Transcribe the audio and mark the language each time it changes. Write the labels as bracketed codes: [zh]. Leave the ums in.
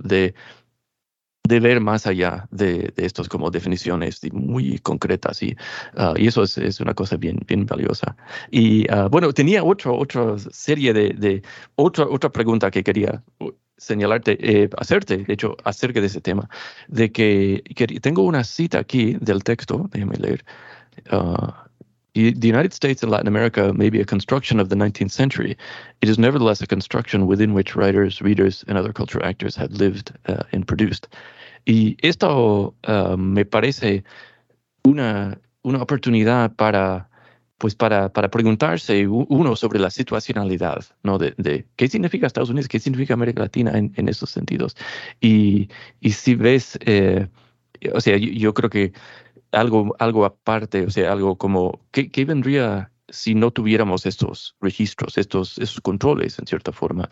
[es] De, de ver más allá de, de estas como definiciones muy concretas y, uh, y eso es, es, una cosa bien, bien valiosa. Y uh, bueno, tenía otro, otra serie de, de otra, otra pregunta que quería señalarte, eh, hacerte, de hecho, acerca de ese tema, de que, que tengo una cita aquí del texto, déjame leer. [en] Uh, the United States and Latin America may be a construction of the 19th century. It is nevertheless a construction within which writers, readers, and other cultural actors have lived uh, and produced. [es] Y esto uh, me parece una, una oportunidad para pues para, para, preguntarse uno sobre la situacionalidad, ¿no? De, de, qué significa Estados Unidos, qué significa América Latina en, en esos sentidos. Y, y si ves, eh, o sea, yo, yo, creo que algo, algo aparte, o sea, algo como, ¿qué, qué vendría si no tuviéramos estos registros, estos, esos controles en cierta forma?